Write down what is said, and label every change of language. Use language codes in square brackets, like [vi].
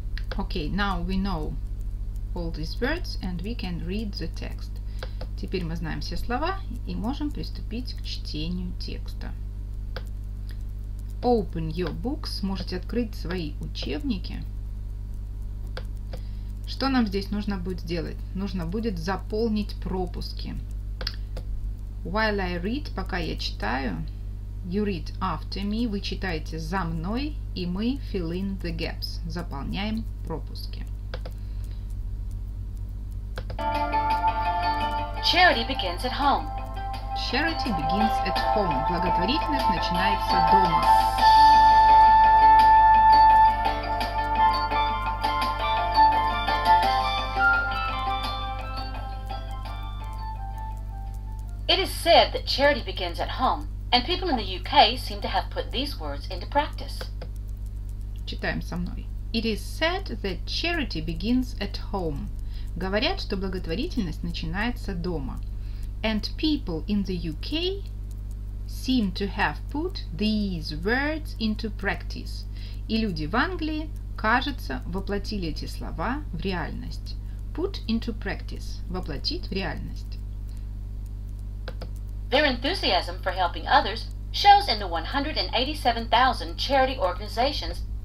[en] Okay, now we know all these words and we can read the text. [ru] Теперь мы знаем все слова и можем приступить к чтению текста. [en] Open your books [ru] – можете открыть свои учебники. Что нам здесь нужно будет сделать? Нужно будет заполнить пропуски. [en] While I read, [ru] пока я читаю, [en] you read after me, [ru] вы читаете за мной, и мы [en] fill in the gaps, [ru] заполняем пропуски. [en] Charity begins at home. Charity begins at home. [ru] Благотворительность начинается дома. [en] It is said that charity begins at home, and people in the UK seem to have put these words into practice. [ru] Читаем со мной. [en] It is said that charity begins at home. [ru] Говорят, что благотворительность начинается дома. [en] And people in the UK seem to have put these words into practice. [ru] И люди в Англии, кажется, воплотили эти слова в реальность. [en] Put into practice. [ru] Воплотить в реальность. [en] Their enthusiasm for helping others shows in the 187,000 charity organizations.